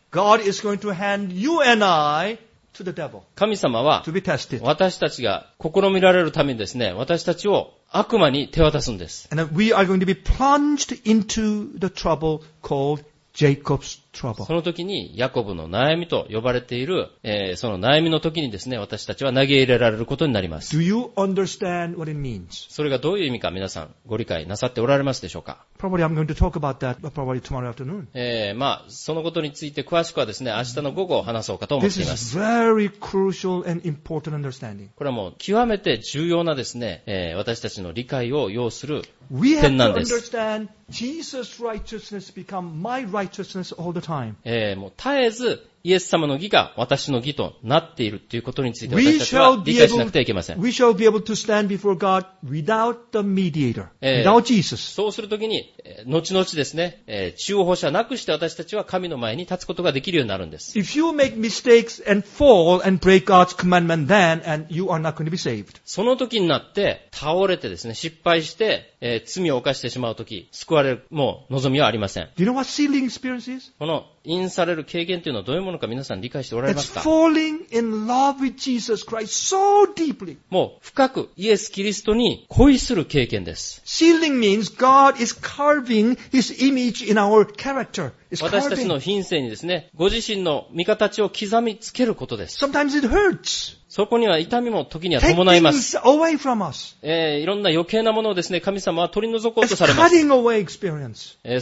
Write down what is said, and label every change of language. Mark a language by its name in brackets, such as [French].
[English] God is going to hand you and I. To the devil, [Japanese] 神様は私たちが試みられるためにですね、私たちを悪魔に手渡すんです。 [English] And we are going to be plunged into the trouble called Jacob's trouble. [Japanese] その時にヤコブの悩みと呼ばれている、その悩みの時にですね、私たちは投げ入れられることになります。 [English] Do you understand what it means? [Japanese] それがどういう意味か皆さんご理解なさっておられますでしょうか。 [English] Probably I'm going to talk about that probably tomorrow afternoon. [Japanese] まあそのことについて詳しくはですね、明日の午後話そうかと思っています。 [English] This is very crucial and important understanding. [Japanese] これはもう極めて重要なですね、私たちの理解を要する点なんです。 [English] We have to understand Jesus' righteousness become my righteousness all the time. [Japanese] もう絶えずイエス様の義が私の義となっているということについて私たちは理解しなくてはいけません。 [English] We shall be able to stand before God without the mediator, without Jesus. [Japanese] そうするときに、後々ですね、中保者なくして私たちは神の前に立つことができるようになるんです。 [English] If you make mistakes and fall and break God's commandment, then and you are not going to be saved. [Japanese] そのときになって倒れてですね、失敗して、罪を犯してしまうとき、救われるもう望みはありません。 [English] Do you know what sealing experience is? [Japanese] この印される経験というのはどういうものか皆さん理解しておられますか? [English] It's falling in love with Jesus Christ so deeply. [Japanese] もう深くイエス・キリストに恋する経験です。 [English] Sealing means God is carving His image in our character. [Japanese] 私たちの品性にですね、ご自身の御形を刻みつけることです。 [English] Sometimes it hurts. [Japanese] そこには痛みも時には伴います。いろんな余計なものをですね、神様は取り除こうとされます。